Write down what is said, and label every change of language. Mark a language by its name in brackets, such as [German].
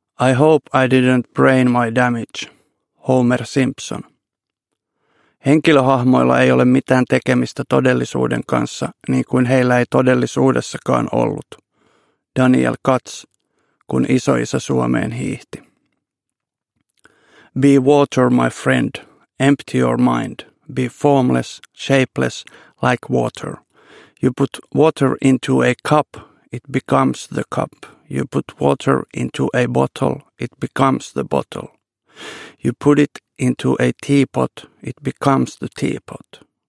[English] I hope I didn't brain my damage. Homer Simpson. [Finnish] Henkilöhahmoilla ei ole mitään tekemistä todellisuuden kanssa, niin kuin heillä ei todellisuudessakaan ollut. Daniel Katz, kun isoisä Suomeen hiihti. [English] Be water, my friend. Empty your mind. Be formless, shapeless, like water. You put water into a cup, it becomes the cup. You put water into a bottle, it becomes the bottle. You put it into a teapot, it becomes the teapot.